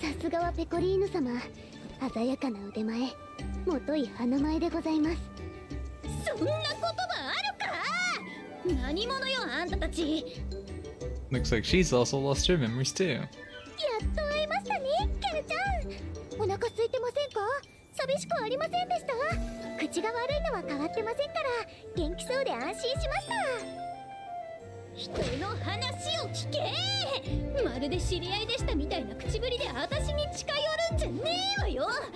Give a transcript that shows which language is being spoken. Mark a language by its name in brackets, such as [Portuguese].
[Japanese] がはペコリーヌ様、鮮やかな腕前、もとい花前でございます。そんな言葉あるか、何者よあんたたち。 [English] Looks like she's also lost her memories too。 [Japanese] やっと会えましたね、ケルちゃん。お腹空いてませんか？寂しくありませんでした？口が悪いのは変わってませんから、元気そうで安心しました。人の話を聞け、まるで知り合いでしたみたいな口ぶりで私に近寄るんじゃねえわよ。